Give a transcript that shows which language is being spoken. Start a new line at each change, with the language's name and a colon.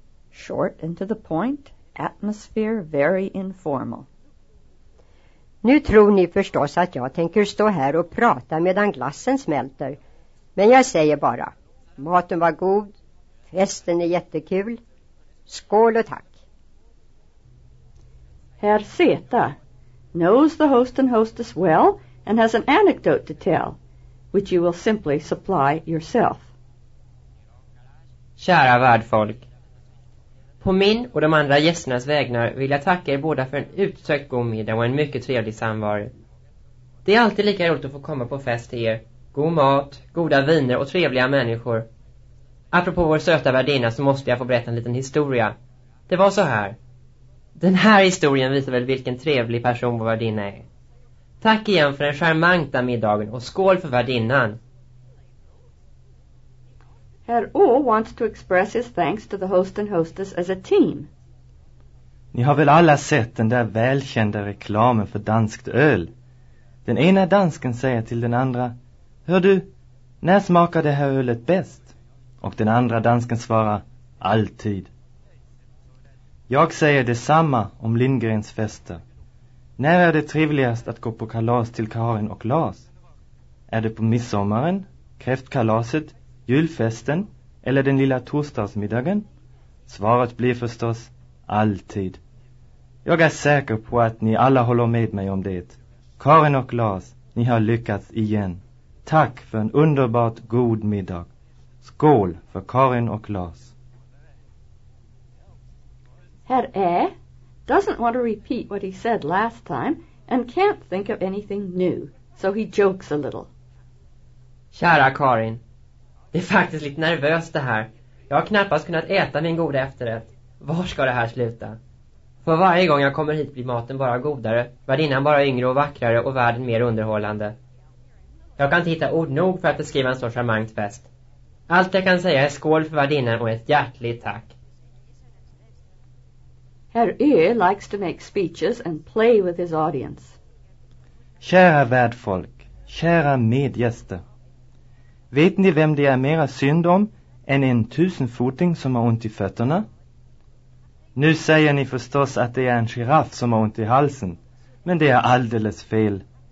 English: Short and to the point, atmosphere very informal.
Swedish: Nu tror ni förstås att jag tänker stå här och prata medan glassen smälter. Men jag säger bara, maten var god. Festen är jättekul. Skål och tack.
English: Herr Zeta knows the host and hostess well and has an anecdote to tell, which you will simply supply yourself.
Swedish: Kära värdfolk, på min och de andra gästernas vägnar vill jag tacka er båda för en utsökt god middag och en mycket trevlig samvaro. Det är alltid lika roligt att få komma på fest till er. God mat, goda viner och trevliga människor. Apropå vår söta värdinna så måste jag få berätta en liten historia. Det var så här. Den här historien visar väl vilken trevlig person vår värdinna är. Tack igen för den charmanta middagen och skål för värdinnan.
English: Herr O wants to express his thanks to the host and hostess as a team.
Swedish: Ni har väl alla sett den där välkända reklamen för danskt öl. Den ena dansken säger till den andra: hör du, när smakar det här ölet bäst? Och den andra dansken svarar: alltid. Jag säger detsamma om Lindgrens fester. När är det trevligast att gå på kalas till Karin och Lars? Är det på midsommaren, kräftkalaset, julfesten eller den lilla torsdagsmiddagen? Svaret blir förstås alltid. Jag är säker på att ni alla håller med mig om det. Karin och Lars, ni har lyckats igen. Tack för en underbart god middag. Skål för Karin och Lars.
English: Herr Ä doesn't want to repeat what he said last time and can't think of anything new, so he jokes a little.
Swedish: Kära Karin, det är faktiskt lite nervöst det här. Jag har knappast kunnat äta min goda efterrätt. Var ska det här sluta? För varje gång jag kommer hit blir maten bara godare, värdinnan bara yngre och vackrare och världen mer underhållande. Jag kan inte hitta ord nog för att beskriva en så charmant fest. Allt jag kan säga är skål för värdinnan och ett hjärtligt tack.
English: Herr Ö likes to make speeches and play with his audience.
Swedish: Kära värdfolk, kära medgäster. Vet ni vem det är mera synd om än en tusenfoting som har ont i fötterna? Nu säger ni förstås att det är en giraff som har ont i halsen, men det är alldeles fel.